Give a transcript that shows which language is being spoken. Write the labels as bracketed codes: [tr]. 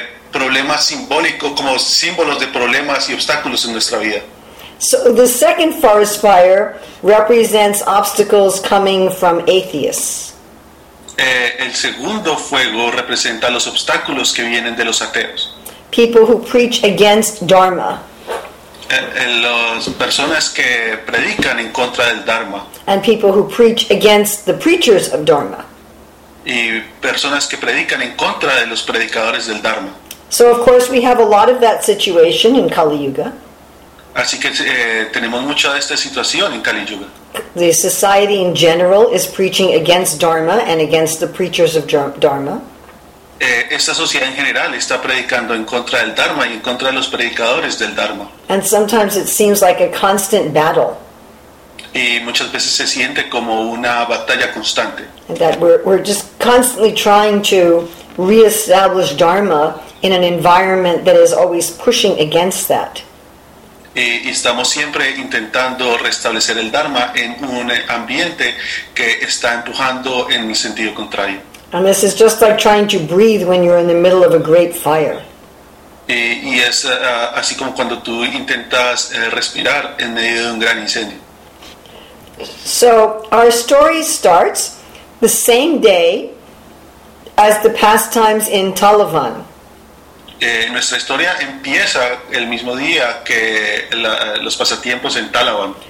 [es] Problemas simbólicos, como símbolos de problemas y obstáculos en nuestra vida. [en] So the second forest fire represents obstacles coming from atheists. [es] El segundo fuego representa los obstáculos que vienen de los ateos. [en] People who preach against Dharma. [es] Las personas que predican en contra del Dharma. [en] And people who preach against the preachers of Dharma. [es] Y personas que predican en contra de los predicadores del Dharma. [en] So of course we have a lot of that situation in Kali Yuga. [es] Así que tenemos mucha de esta situación en Kali Yuga. [en] The society in general is preaching against Dharma and against the preachers of Dharma. [es] Esta sociedad en general está predicando en contra del Dharma y en contra de los predicadores del Dharma. [en] And sometimes it seems like a constant battle. [es] Y muchas veces se siente como una batalla constante. [en] And that we're just constantly trying to reestablish Dharma in an environment that is always pushing against that. [es] Y estamos siempre intentando restablecer el Dharma en un ambiente que está empujando en el sentido contrario. [en] And this is just like trying to breathe when you're in the middle of a great fire. [es] Y es así como cuando tú intentas respirar en medio de un gran incendio. [en] So our story starts the same day as the pastimes in Talavan. [es] Nuestra historia empieza el mismo día que los pasatiempos en Talavan.